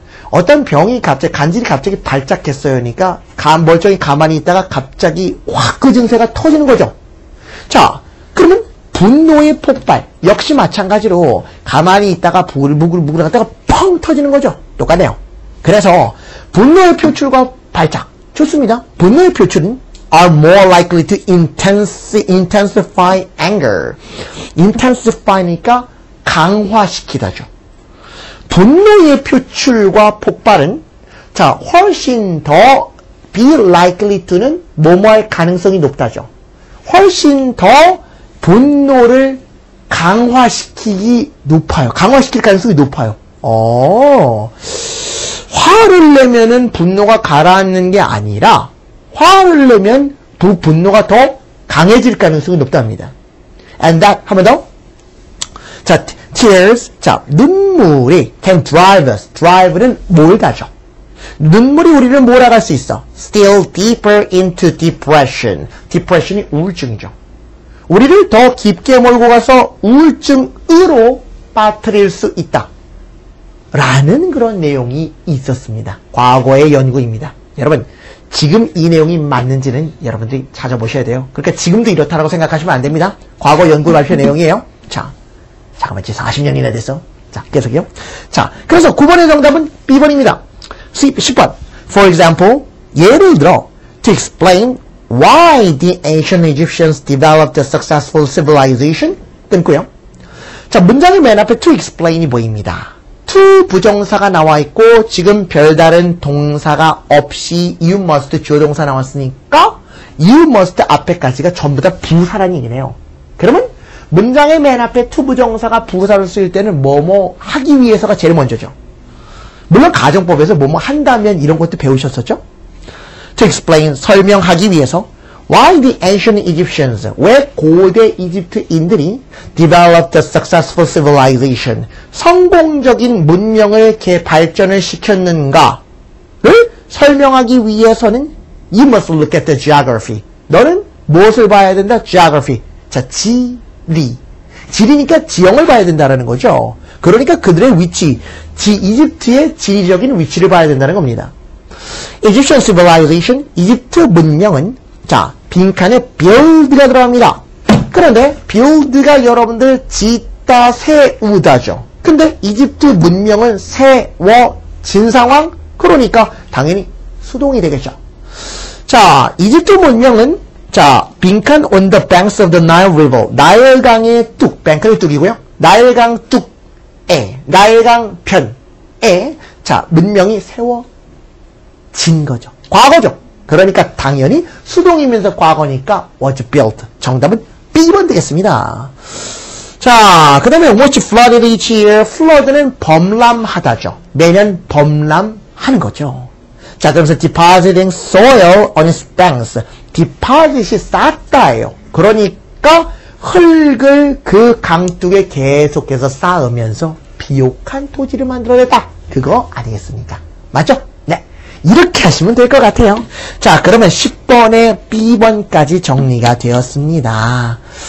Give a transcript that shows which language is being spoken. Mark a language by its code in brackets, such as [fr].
[ko] 어떤 병이 갑자기, 간질이 갑자기 발작했어요. 그러니까 멀쩡히 가만히 있다가 갑자기 확 그 증세가 터지는 거죠. 자, 그러면 분노의 폭발. 역시 마찬가지로 가만히 있다가 부글부글부글 하다가 펑 터지는 거죠. 똑같네요. 그래서 분노의 표출과 발작 좋습니다. 분노의 표출은 [en] are more likely to intensify anger. [ko] intensify니까 강화시키다죠. 분노의 표출과 폭발은 자 훨씬 더 [en] be likely to [ko] 는 뭐뭐할 가능성이 높다죠. 훨씬 더 분노를 강화시키기 높아요. 강화시킬 가능성이 높아요. 어. 화를 내면은 분노가 가라앉는 게 아니라 화를 내면 그 분노가 더 강해질 가능성이 높답니다. [en] And that [ko] 한 번 더. 자, tears. [en] 자, 눈물이 can drive us. [ko] Drive는 몰다죠. 눈물이 우리를 몰아갈 수 있어. [en] Still deeper into depression. [ko] Depression이 우울증이죠. 우리를 더 깊게 몰고 가서 우울증으로 빠뜨릴 수 있다. 라는 그런 내용이 있었습니다. 과거의 연구입니다. 여러분, 지금 이 내용이 맞는지는 여러분들이 찾아보셔야 돼요. 그러니까 지금도 이렇다라고 생각하시면 안 됩니다. 과거 연구 발표 내용이에요. 자, 잠깐만 지금 40년이나 됐어. 자, 계속이요. 자, 그래서 9번의 정답은 B번입니다. 10번. [en] For example, [ko] 예를 들어, [en] to explain why the ancient Egyptians developed a successful civilization. [ko] 끊고요. 자, 문장의 맨 앞에 to explain이 보입니다. to 부정사가 나와 있고 지금 별다른 동사가 없이 you must 주어동사 나왔으니까 you must 앞에까지가 전부 다 부사란 얘기네요. 그러면 문장의 맨 앞에 to 부정사가 부사를 쓰일 때는 뭐뭐 하기 위해서가 제일 먼저죠. 물론 가정법에서 뭐뭐 한다면 이런 것도 배우셨었죠. [en] to explain [ko] 설명하기 위해서 [en] why the ancient Egyptians [ko] 왜 고대 이집트인들이 [en] developed a successful civilization [ko] 성공적인 문명을 개발전을 시켰는가를 설명하기 위해서는 [en] you must look at the geography [ko] 너는 무엇을 봐야 된다? geography 자 지리 지리니까 지형을 봐야 된다는 거죠. 그러니까 그들의 위치 이집트의 지리적인 위치를 봐야 된다는 겁니다. Egyptian civilization 이집트 문명은 자 빈칸에 build가 들어갑니다. 그런데 build가 여러분들 짓다 세우다죠. 근데 이집트 문명은 세워진 상황? 그러니까 당연히 수동이 되겠죠. 자, 이집트 문명은 자, 빈칸 [en] on the banks of the Nile River. [ko] 나일강의 뚝, 뱅크의 뚝이고요. 나일강 뚝에, 나일강 편에 자, 문명이 세워진 거죠. 과거죠. 그러니까 당연히 수동이면서 과거니까 was built. 정답은 B번 되겠습니다. [en] 자, [ko] 그 다음에 [en] what flooded each year? [ko] flood는 범람하다죠. 매년 범람하는 거죠. [en] 자, [ko] 그러면서 [en] depositing soil on its banks. [ko] deposit이 쌓다예요. 그러니까 흙을 그 강둑에 계속해서 쌓으면서 비옥한 토지를 만들어냈다. 그거 아니겠습니까? 맞죠? 네. 이렇게 하시면 될 것 같아요. 자, 그러면 10번에 B번까지 정리가 되었습니다.